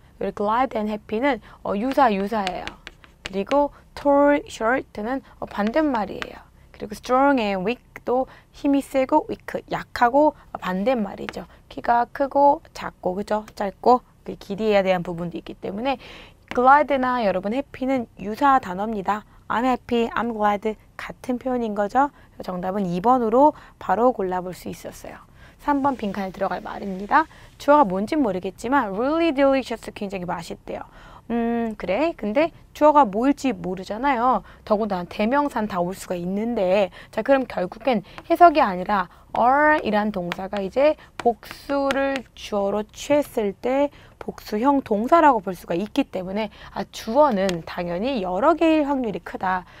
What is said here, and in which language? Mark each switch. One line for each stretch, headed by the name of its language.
Korean: 그리고 glad and happy 는 유사, 유사해요. 그리고 tall, short 는 반대말이에요. 그리고 strong and weak 또 힘이 세고 위크 약하고 반대말이죠. 키가 크고 작고 그죠? 짧고 그 길이에 대한 부분도 있기 때문에 glad나 여러분 happy는 유사 단어입니다.
English: I'm happy, I'm glad 같은 표현인 거죠.
Korean: 정답은 2번으로 바로 골라볼 수 있었어요. 3번 빈칸에 들어갈 말입니다. 주어가 뭔진 모르겠지만 really delicious 굉장히 맛있대요. 그래. 근데 주어가 뭘지 모르잖아요. 더군다나 대명사는 다올 수가 있는데. 자, 그럼 결국엔 해석이 아니라 are이란 동사가 이제 복수를 주어로 취했을 때 복수형 동사라고 볼 수가 있기 때문에 아, 주어는 당연히 여러 개일 확률이 크다.